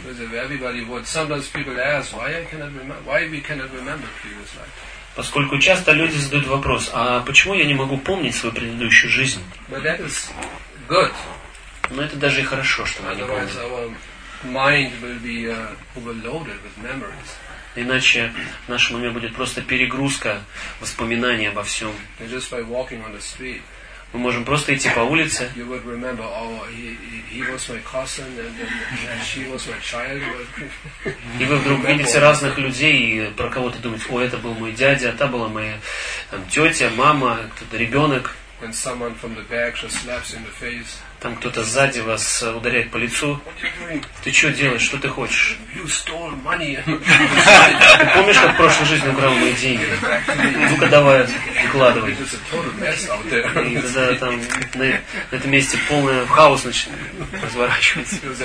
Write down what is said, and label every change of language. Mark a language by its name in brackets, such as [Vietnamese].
[English] Because everybody would. Sometimes people ask, why we cannot remember previous life. [Russian] Поскольку часто люди задают вопрос, а почему я не могу помнить свою предыдущую жизнь? [English] But that is good. [Russian] Но это даже и хорошо, что мы не помним. [English] Otherwise our mind will be overloaded with memories. [Russian] Иначе в нашем уме будет просто перегрузка воспоминаний обо всем. [English] Just by walking on the street, [Russian] мы можем просто идти по улице. [English] You would remember, oh, he was my cousin, and she was my child. [Russian] И вы вдруг видите разных людей и про кого-то думаете, о, это был мой дядя, а та была моя там, тетя, мама, кто-то ребенок. [English] And someone from the back just slaps in the face. [Russian] Там кто-то сзади вас ударяет по лицу. Ты что делаешь? Что ты хочешь? [English] You stole money. [Russian] Ты помнишь, как в прошлой жизни украл мои деньги? Ну-ка давай, выкладывай. И тогда там на этом месте полный хаос начинает разворачиваться.